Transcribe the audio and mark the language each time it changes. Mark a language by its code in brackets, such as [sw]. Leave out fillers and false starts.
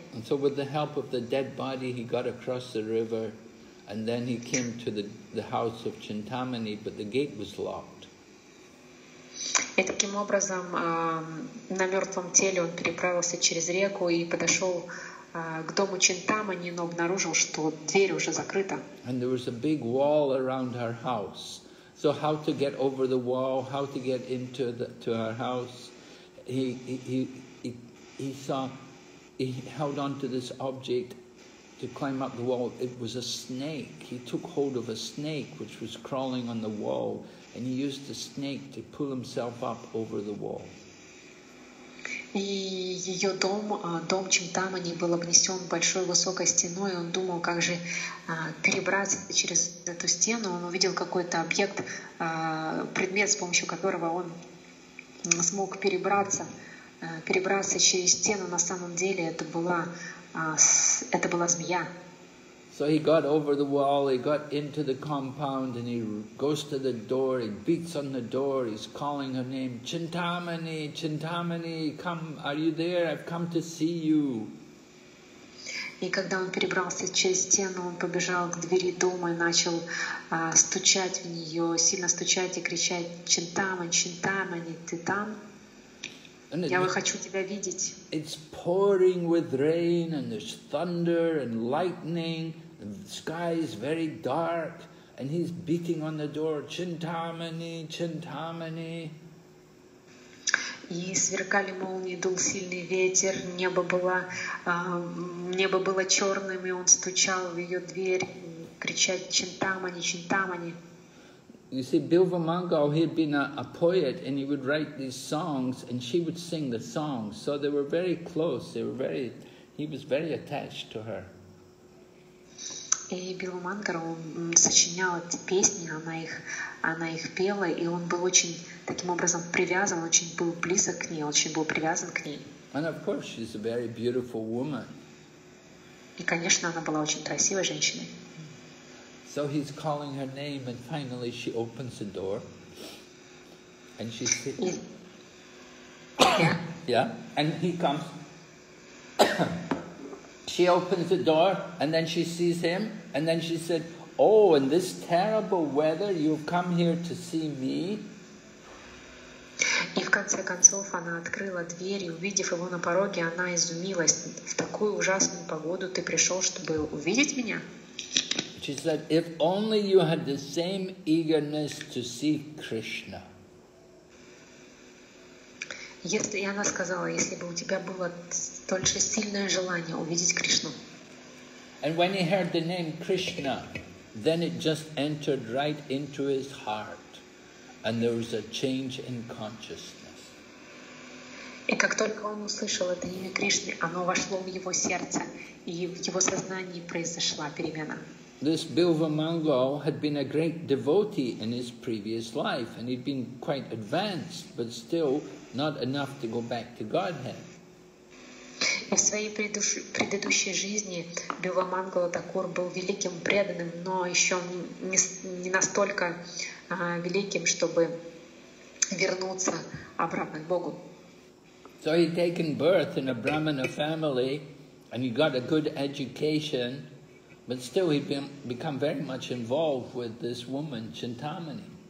[en] And so with the help of the dead body, he got across the river. And then he came to the house of Chintamani, but the gate was locked. [ru] И таким образом на мертвом теле он переправился через реку и подошел к дому Чинтамани, но обнаружил, что дверь уже закрыта. [en] And there was a big wall around her house. So how to get over the wall? How to get into to her house? He held on to this object to climb up the wall. It was a snake. He took hold of a snake which was crawling on the wall, and he used the snake to pull himself up over the wall. [ru] И ее дом Чинтамани был обнесен большой высокой стеной. Он думал, как же перебраться через эту стену. Он увидел какой-то объект, предмет, с помощью которого он смог перебраться через стену. На самом деле это была змея. [en] So he got over the wall, he got into the compound, and he goes to the door, he beats on the door, he's calling her name, Chintamani, Chintamani, come, are you there? I've come to see you. [ru] И когда он перебрался через стену, он побежал к двери дома и начал стучать в нее, сильно стучать и кричать, Chintamani, Chintamani, ты там? [en] It's pouring with rain, and there's thunder and lightning, and the sky is very dark, and he's beating on the door, Chintamani, Chintamani. [ru] И сверкали молнии, дул сильный ветер, небо было черным, и он стучал в ее дверь, кричать Chintamani, Chintamani. [en] You see, Bhuvamangal, he'd been a poet, and he would write these songs, and she would sing the songs. So they were very close. He was very attached to her. [ru] И Бхувамангал, он сочинял эти песни, она их пела, и он был очень таким образом привязан, очень был близок к ней, очень был привязан к ней. [en] And of course, she's a very beautiful woman. [ru] И конечно, она была очень красивой женщиной. [en] So he's calling her name, and finally she opens the door, and she's sitting. Yeah. Yeah. And he comes. She opens the door, and then she sees him, and then she said, "Oh, in this terrible weather, you've come here to see me." [ru] И в конце концов она открыла дверь и, увидев его на пороге, она изумилась. В такую ужасную погоду ты пришел, чтобы увидеть меня? [en] She said, if only you had the same eagerness to see Krishna. [ru] Если, и она сказала, если бы у тебя было столь же сильное желание увидеть Кришну. [en] And when he heard the name Krishna, then it just entered right into his heart, and there was a change in consciousness. [ru] И как только он услышал это имя Кришны, оно вошло в его сердце, и в его сознании произошла перемена. [en] This Bilva Mango had been a great devotee in his previous life, and he'd been quite advanced, but still not enough to go back to Godhead. [ru] И в своей предыдущей жизни Бива Мангала Такур был великим преданным, но еще не настолько великим, чтобы вернуться обратно к Богу. [en] So he'd taken birth in a Brahmana family, and he got a good education, but still he'd become very much involved with this woman, Chintamani.